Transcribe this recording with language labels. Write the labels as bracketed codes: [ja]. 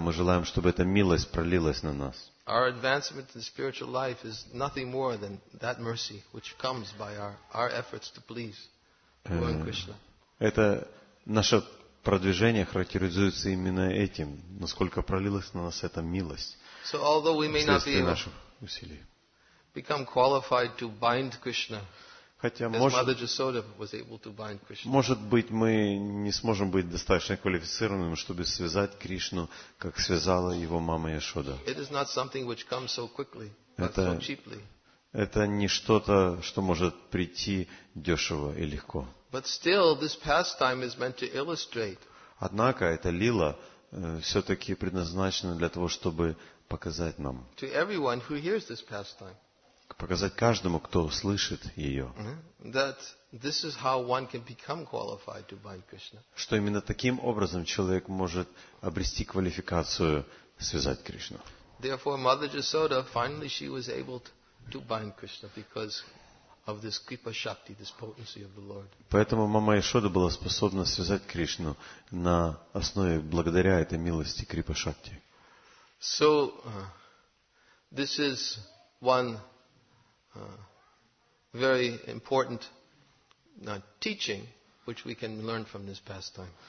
[ru] Мы желаем, чтобы эта милость пролилась на нас. [en] Our advancement in spiritual life is nothing more than that mercy which comes by our efforts to please Lord Krishna. [ru] Это наше продвижение характеризуется именно этим, насколько пролилась на нас эта милость. [en] So although we may not be [ru] наших усилий. [en] Become qualified to bind Krishna. [ru] Хотя [en] Mother Jasoda was able to bind Krishna. [ru] Может быть, мы не сможем быть достаточно квалифицированными, чтобы связать Кришну, как связала его мама Яшода. [en] It is not something which comes so quickly, but so cheaply. [ru] Это не что-то, что может прийти дешево и легко. [en] But still, this pastime is meant to illustrate. [ru] Однако эта лила все-таки предназначена для того, чтобы показать нам. [en] To everyone who hears this pastime. [ru] Показать каждому, кто услышит ее. [en] That this is how one can become qualified to bind Krishna. [ru] Что именно таким образом человек может обрести квалификацию связать Кришну. [en] Therefore, Mother Jasoda finally she was able to bind Krishna because of this Kripa Shakti, this potency of the Lord. [ru] Поэтому мама Яшода была способна связать Кришну на основе благодаря этой милости Крипа Шакти. [en] So this is one very important teaching which we can learn from this pastime.